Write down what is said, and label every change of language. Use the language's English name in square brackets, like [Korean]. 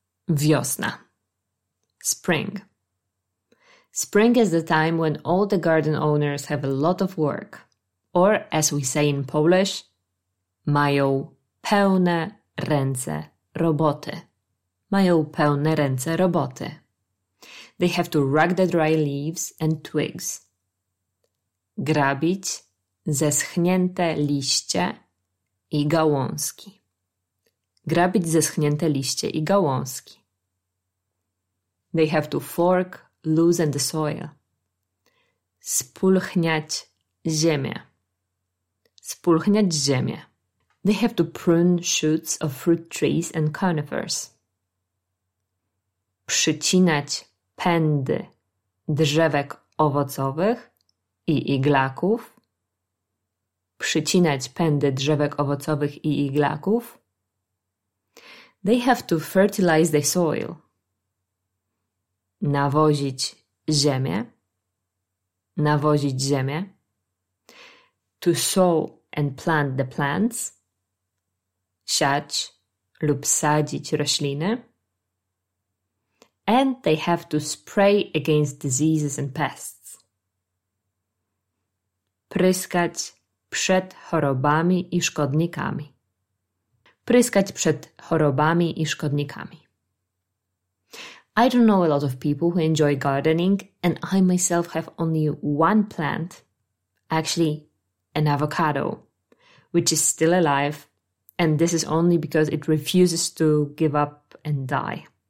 [English] Wiosna. Spring. Spring is the time when all the garden owners have a lot of work, or as we say in Polish, [Polish] mają pełne ręce roboty. Mają pełne ręce roboty. [English] They have to rake the dry leaves and twigs. [Polish] Grabić zeschnięte liście i gałązki. Grabić zeschnięte liście i gałązki. [English] They have to fork loosen the soil. [Polish] Spulchniać ziemię. Spulchniać ziemię. [English] They have to prune shoots of fruit trees and conifers. [Polish] Przycinać pędy drzewek owocowych i iglaków. Przycinać pędy drzewek owocowych i iglaków. [English] They have to fertilize the soil. [Polish] Nawozić ziemię. Nawozić ziemię. [English] To sow and plant the plants. [Polish] Siać lub sadzić rośliny. [English] And they have to spray against diseases and pests. [Polish] Pryskać przed chorobami i szkodnikami. Pryskać przed chorobami i szkodnikami. [English] I don't know a lot of people who enjoy gardening, and I myself have only one plant, actually an avocado, which is still alive, and this is only because it refuses to give up and die.